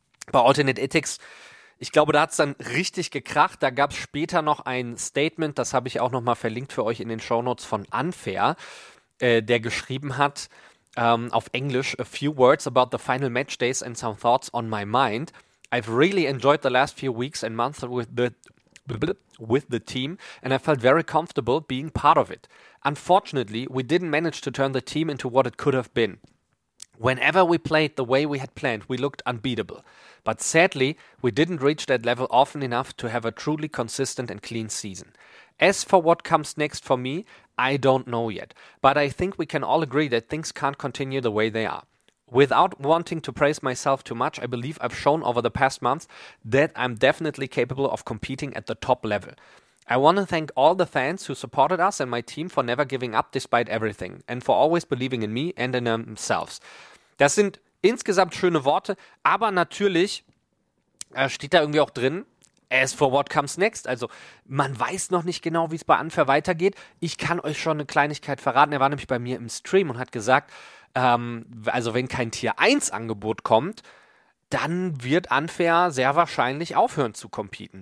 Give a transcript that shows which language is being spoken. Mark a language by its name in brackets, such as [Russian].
[German] Bei Alternate ATX, ich glaube, da hat es dann richtig gekracht. Da gab es später noch ein Statement, das habe ich auch nochmal verlinkt für euch in den Shownotes von Unfair, der geschrieben hat, auf Englisch, [English] a few words about the final match days and some thoughts on my mind. I've really enjoyed the last few weeks and months with the team and I felt very comfortable being part of it. Unfortunately, we didn't manage to turn the team into what it could have been. Whenever we played the way we had planned, we looked unbeatable. But sadly, we didn't reach that level often enough to have a truly consistent and clean season. As for what comes next for me, I don't know yet. But I think we can all agree that things can't continue the way they are. Without wanting to praise myself too much, I believe I've shown over the past months that I'm definitely capable of competing at the top level. I want to thank all the fans who supported us and my team for never giving up despite everything and for always believing in me and in themselves. [German] Das sind insgesamt schöne Worte, aber natürlich steht da irgendwie auch drin, [English] as for what comes next. [German] Also man weiß noch nicht genau, wie es bei Unfair weitergeht. Ich kann euch schon eine Kleinigkeit verraten. Er war nämlich bei mir im Stream und hat gesagt, also wenn kein Tier 1 Angebot kommt, dann wird Unfair sehr wahrscheinlich aufhören zu competen.